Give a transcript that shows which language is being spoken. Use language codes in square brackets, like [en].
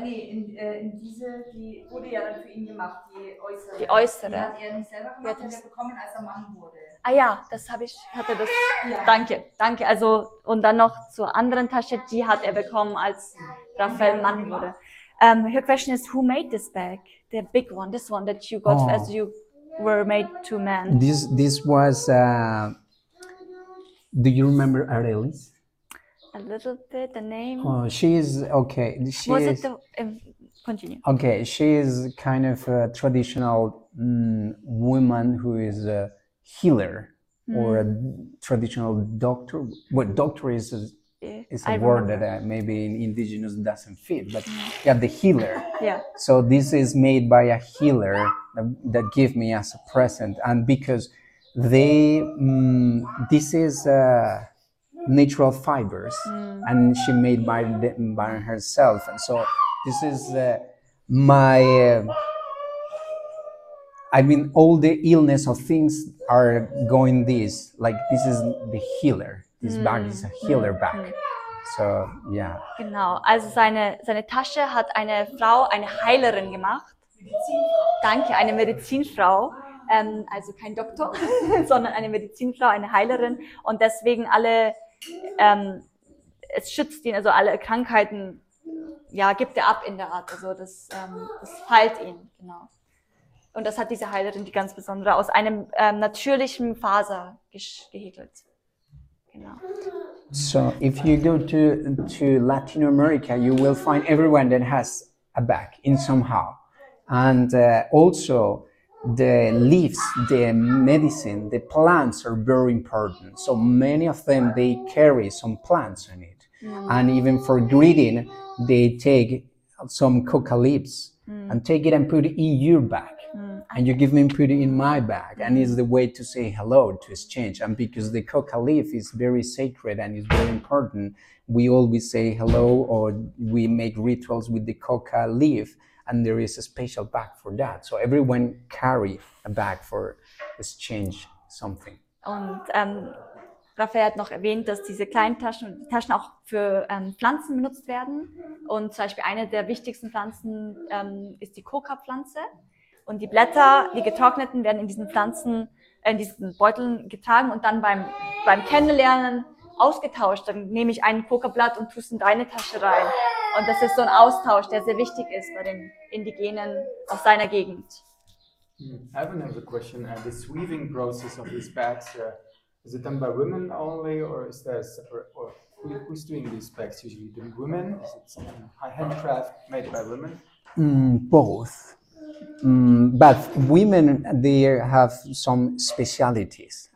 [de] In diese, die wurde ja dann für ihn gemacht, die äußere. Die äußere. Die hat er nicht selber gemacht, sondern bekommen, als er Mann wurde. Ah ja, das habe ich, hatte das. Ja. Danke, danke. Also, und dann noch zur anderen Tasche, die hat er bekommen, als Raphael Mann wurde. [en] Her question is, who made this bag? The big one, this one that you got as you were made to man. This was, do you remember Aurelis? A little bit, the name. Oh, she is, okay. She was is, it the, continue. Okay, she is kind of a traditional woman who is a healer or a traditional doctor. What doctor is a, it's a word remember. That maybe in indigenous doesn't fit, but yeah, the healer. Yeah. So this is made by a healer that gave me as a present. And because they, this is natural fibers and she made by herself. And so this is my, I mean, all the illness of things are going this, like this is the healer. This bag is a healer bag. So, yeah. [de] Genau, also seine Tasche hat eine Frau, eine Heilerin gemacht. Danke, eine Medizinfrau. Also kein Doktor, sondern eine Medizinfrau, eine Heilerin. Und deswegen alle, es schützt ihn, also alle Krankheiten, ja, gibt er ab in der Art. Also das heilt ihn, genau. Und das hat diese Heilerin, die ganz besondere, aus einem natürlichen Faser gehäkelt. [en] So if you go to Latin America, you will find everyone that has a bag in somehow. And also the leaves, the medicine, the plants are very important. So many of them, they carry some plants on it. Mm. And even for greeting, they take some coca leaves and take it and put it in your bag. And you give me put it in my bag, and it's the way to say hello, to exchange. And because the coca leaf is very sacred and is very important, we always say hello, or we make rituals with the coca leaf, and there is a special bag for that. So everyone carry a bag for exchange something. [de] Und Raphael hat noch erwähnt, dass diese kleinen Taschen, die Taschen auch für Pflanzen benutzt werden. Und zum Beispiel eine der wichtigsten Pflanzen ist die Coca-Pflanze. Und die Blätter, die getrockneten, werden in diesen Pflanzen, in diesen Beuteln getragen und dann beim Kennenlernen ausgetauscht. Dann nehme ich ein Coca-Blatt und tue es in deine Tasche rein. Und das ist so ein Austausch, der sehr wichtig ist bei den Indigenen aus deiner Gegend. [en] I have another question. The weaving process of these bags, is it done by women only or is there a separate, or who's doing these bags usually? The women? Is it a handcraft made by women? Both. But women, they have some specialties.